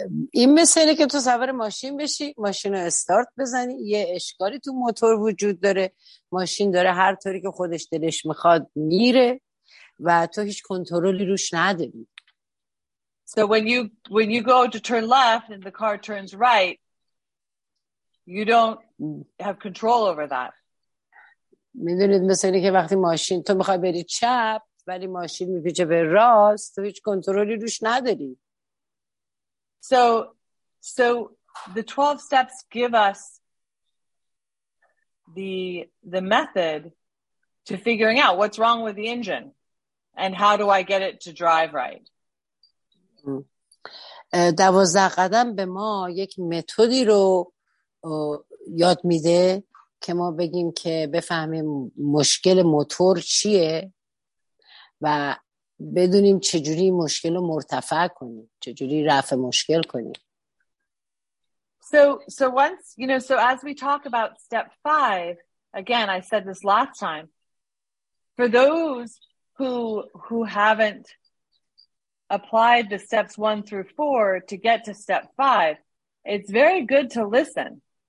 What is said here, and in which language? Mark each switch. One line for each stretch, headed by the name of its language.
Persian: این مثل اینه که تو سوار ماشین بشی، ماشین رو استارت بزنی، یه اشکالی تو موتور وجود داره، ماشین داره هر طوری که خودش دلش میخواد میره و تو هیچ کنترلی روش نداری.
English: So when you go to turn left and the car turns right, you don't have control over that.
Persian: میدونید مثل اینه که وقتی ماشین تو میخوای بری چپ ولی ماشین میپیچه به راست، تو هیچ کنترلی روش نداری.
English: So the 12 steps give us the method to figuring out what's wrong with the engine and how do I get it to drive right.
Persian: 12 قدم به ما یک متدی رو یاد میده که ما بگیم که بفهمیم مشکل موتور چیه و بدونیم چجوری مشکل رو مرتفع کنیم، چجوری رفع مشکل کنیم.
English: So once, you know, so as we talk about step 5, again I said this last time, for those who haven't applied the steps 1-4 to get to step 5, it's very good to listen.